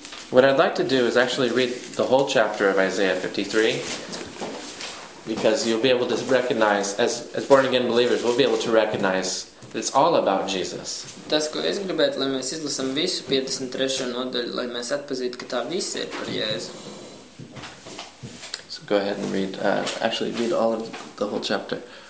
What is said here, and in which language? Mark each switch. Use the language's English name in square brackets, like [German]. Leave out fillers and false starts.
[English] What I'd like to do is actually read the whole chapter of Isaiah 53, because you'll be able to recognize, as born-again believers, we'll be able to recognize that it's all about Jesus. [Latvian] Tas, ko es gribētu, lai mēs izlasam visu 53. Nodaļu, lai mēs atpazītu, ka tā visa ir par Jēzu. [English] So go ahead and read, actually read all of the whole chapter.